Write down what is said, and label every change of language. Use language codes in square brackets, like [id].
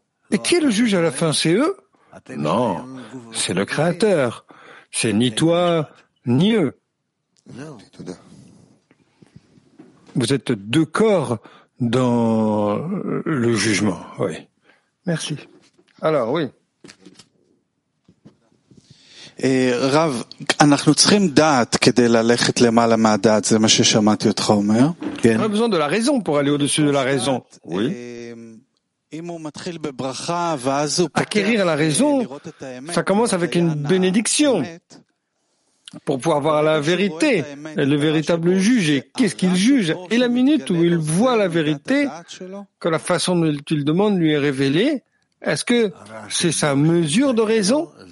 [fr] Et qui est le juge à la fin? C'est eux? Non, c'est le Créateur. C'est ni toi, ni eux. Vous êtes deux corps dans le jugement, oui. Merci. Alors, oui. [he] רב, אנחנו צריכים דעת כדי ללכת למעלה מהדעת, זה מה ששמעתי אותך אומר. כן. אנחנו צריכים דעת כדי ללכת למעלה מהדעת, זה מה ששמעתי אם הוא מתחיל בברכה, ואז הוא פותח לראות את האמת. [fr] Ça commence avec une bénédiction. Pour pouvoir voir la vérité, le véritable juge, et qu'est-ce qu'il juge? Et la minute où il voit la vérité, que la façon dont il demande lui est révélée, est-ce que c'est sa mesure de raison?